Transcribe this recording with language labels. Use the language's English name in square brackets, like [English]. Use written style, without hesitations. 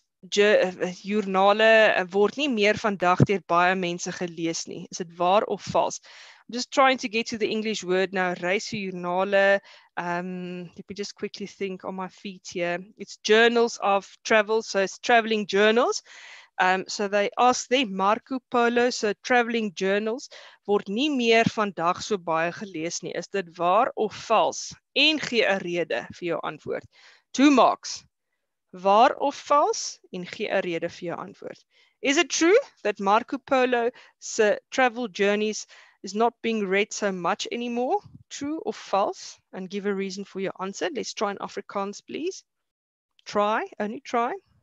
[Afrikaans] Journale word nie meer vandag deur baie mense gelees nie. Is dit waar of vals? [English] I'm just trying to get to the English word now. Reisjournale. Let me just quickly think on my feet here. It's journals of travel, so it's traveling journals. So they ask them, Marco Polo, so traveling journals, [Afrikaans] word nie meer vandag so baie gelees nie. Is dit waar of vals? En gee 'n rede vir jou antwoord. 2 marks. Waar of vals? En gee 'n rede vir jou antwoord. [English] Is it true that Marco Polo se travel journeys is not being read so much anymore? True or false? And give a reason for your answer. Let's try in Afrikaans, please. Try, only try.